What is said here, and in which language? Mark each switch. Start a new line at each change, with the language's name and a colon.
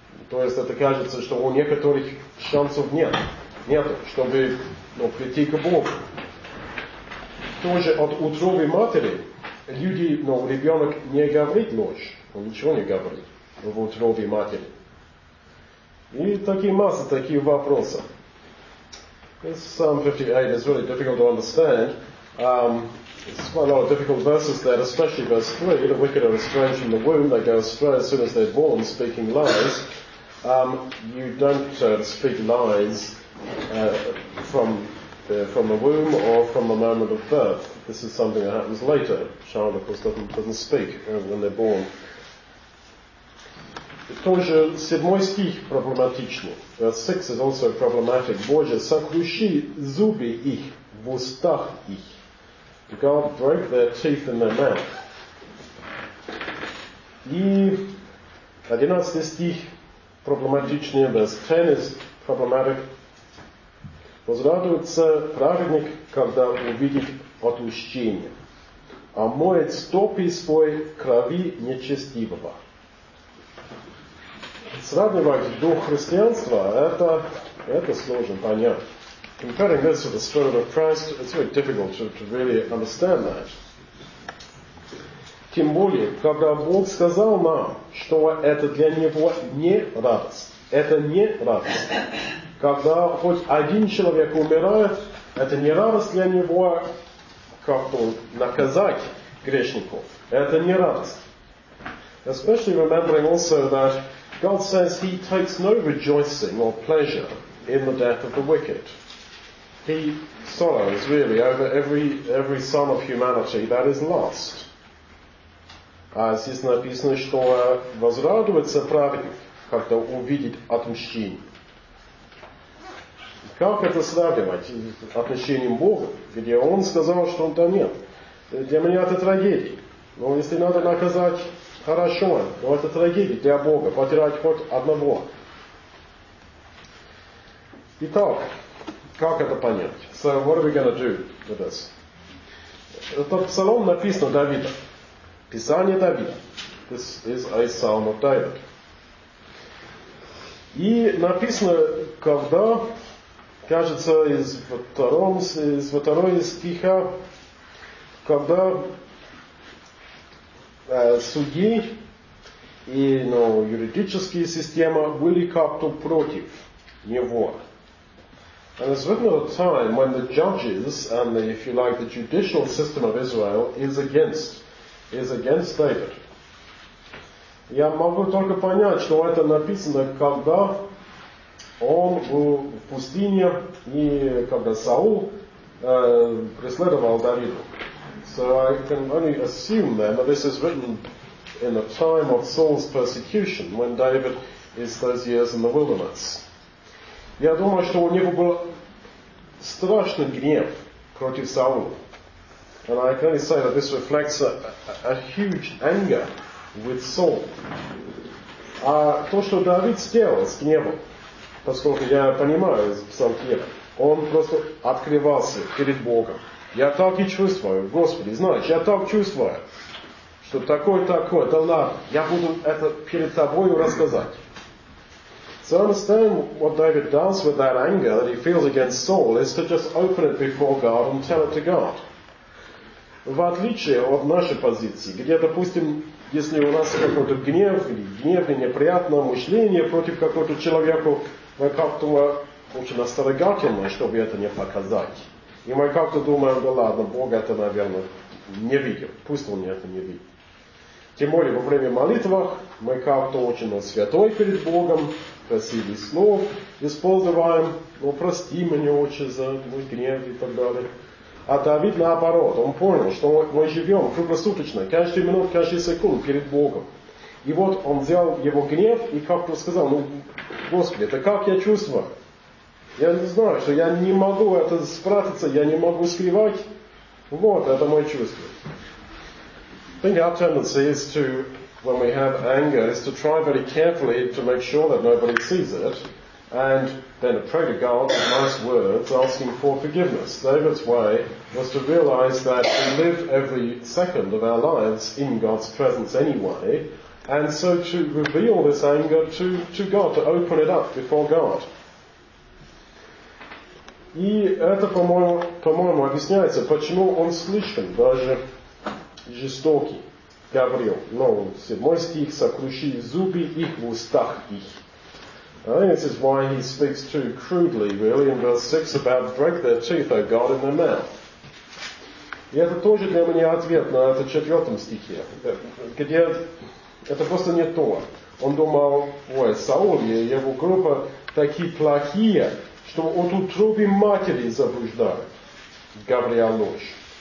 Russian: То есть это кажется, что у некоторых шансов нет. Нет, чтобы прийти к Богу. Тоже от утробы матери люди, ребенок не говорит ложь. Он ничего не говорит в утробе матери. И такие масса таких вопросов.
English: This Psalm 58 is really difficult to understand. It's quite a lot of difficult verses there, especially verse 3. The wicked are estranged from the womb. They go astray as soon as they're born, speaking lies. You don't speak lies from the womb or from the moment of birth. This is something that happens later. Child, of course, doesn't speak when they're born.
Russian: Тоже седьмой стих проблематичный.
English: Verse 6 is also problematic.
Russian: Боже, сокруши зубы их в устах их.
English: God broke their teeth in their mouth.
Russian: И 11 стих проблематичный.
English: Verse 10 is problematic.
Russian: Возрадуется праведник, когда увидит отмщение. Омоет стопы свои в крови нечестивого. Сравнивать до христианства, это сложно понять.
English: Comparing this with the Spirit of Christ, it's very difficult to really understand that.
Russian: Тем более, когда Бог сказал нам, что это для Него не радость. Это не радость. Когда хоть один человек умирает, это не радость для Него, как-то наказать грешников. Это не радость.
English: Especially remembering also that God says he takes no rejoicing or pleasure in the death of the wicked. He sorrows really over every son of humanity that is lost.
Russian: Здесь написано, что возрадуется праведник, когда увидит отмщение. Как это сравнивать с отмщением Бога, где он сказал, что он-то нет? Для меня это трагедия. Но если надо наказать... Хорошо, но это трагедия для Бога, потерять хоть одного. Итак, как это понять?
English: So, what are we going to do with this?
Russian: Этот псалом написан Давидом. Писание Давида.
English: This is a psalm of David.
Russian: И написано, когда, кажется, из второго стиха, когда... судьи и юридические системы были как-то против него.
English: And it's written at a time when the judges and the judicial system of Israel is against David.
Russian: Я могу только понять, что это написано, когда он был в пустыне и когда Саул преследовал Давида.
English: So I can only assume then that this is written in the time of Saul's persecution, when David is those years in the wilderness.
Russian: Я думаю, что у него был страшный гнев против Саула.
English: And I can only say that this reflects a huge anger with Saul.
Russian: А то, что Давид сделал с гневом, поскольку я понимаю из Псалтира, он просто открывался перед Богом. Я так и чувствую, Господи, знаешь, я так чувствую, что такое, да ладно, я буду это перед тобою рассказать.
English: So understand what David does with that anger that he feels against Saul is to just open it before God and tell it to God.
Russian: В отличие от нашей позиции, где, допустим, если у нас какой-то гнев или гневное неприятное мышление против какого-то человека, мы как-то очень осторожны, чтобы это не показать. И мы как-то думаем, да ладно, Бог это, наверное, не видел. Пусть он это не видит. Тем более во время молитвах мы как-то очень святой перед Богом, красивый слов используем, прости меня, Отче, за мой гнев и так далее. А Давид наоборот, он понял, что мы живем круглосуточно, каждую минуту, каждую секунду перед Богом. И вот он взял его гнев и как-то сказал, ну, Господи, это как я чувствую? Я не знаю, что я не могу это спрятаться, я не могу скрывать. Вот, это мое чувство.
English: I think our tendency is to, when we have anger, is to try very carefully to make sure that nobody sees it, and then to pray to God with nice words, asking for forgiveness. David's way was to realize that we live every second of our lives in God's presence anyway, and so to reveal this anger to God, to open it up before God.
Russian: И это, по-моему, объясняется, почему он слишком даже жестокий, Гавриил. Ну, седьмой стих, сокруши зубы их в устах их.
English: I think this is why he speaks too crudely, really, in verse 6, about break their teeth, O God, in their mouth.
Russian: И это тоже для меня ответ на это четвертом стихе, где это просто не то. Он думал, ой, Саул и его группа такие плохие, что от утробы матери заблуждают Гавриил ночь.